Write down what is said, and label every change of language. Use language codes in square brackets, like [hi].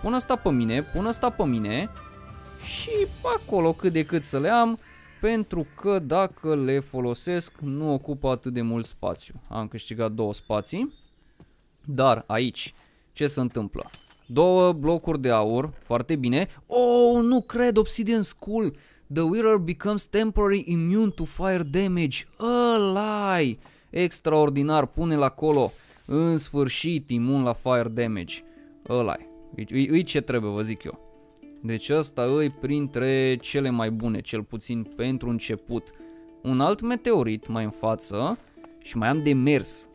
[ro] Pun asta pe mine, pun asta pe mine. Și pe acolo cât de cât să le am. Pentru că dacă le folosesc nu ocupă atât de mult spațiu. Am câștigat două spații. Dar aici, ce se întâmplă? Două blocuri de aur, foarte bine. Oh, nu cred, Obsidian Skull. [en] The wearer becomes temporary immune to fire damage. [ro] Ăla-i! Extraordinar, pune-l acolo. În sfârșit, imun la fire damage. Ăla-i. Ui ce trebuie, vă zic eu. Deci ăsta e printre cele mai bune, cel puțin pentru început. Un alt meteorit mai în față și mai am de mers.